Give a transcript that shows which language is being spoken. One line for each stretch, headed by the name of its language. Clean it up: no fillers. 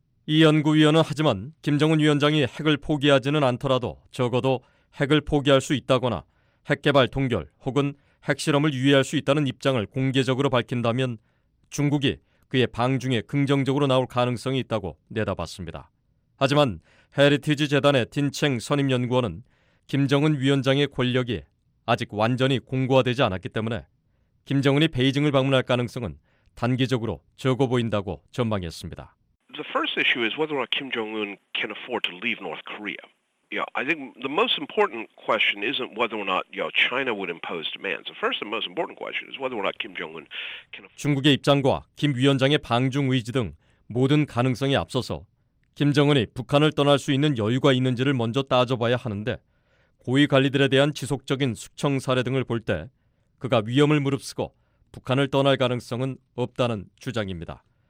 Korean: 이 연구위원은 하지만 김정은 위원장이 핵을 포기하지는 않더라도 적어도 핵을 포기할 수 있다거나 핵개발 동결 혹은 핵실험을 유예할 수 있다는 입장을 공개적으로 밝힌다면 중국이 그의 방중에 긍정적으로 나올 가능성이 있다고 내다봤습니다. 하지만 헤리티지 재단의 딘챙 선임연구원은 김정은 위원장의 권력이 아직 완전히 공고화되지 않았기 때문에 김정은이 베이징을 방문할 가능성은 단기적으로 적어 보인다고 전망했습니다.
English: The first issue is whether or not Kim Jong-un can afford to leave North Korea. Yeah, I think the most important question isn't whether or not China would impose demands. The first and most important question is whether or not Kim Jong-un can afford.
Korean: 중국의 입장과 김 위원장의 방중 의지 등 모든 가능성에 앞서서 김정은이 북한을 떠날 수 있는 여유가 있는지를 먼저 따져봐야 하는데 고위 관리들에 대한 지속적인 숙청 사례 등을 볼 때 그가 위험을 무릅쓰고 북한을 떠날 가능성은 없다는 주장입니다.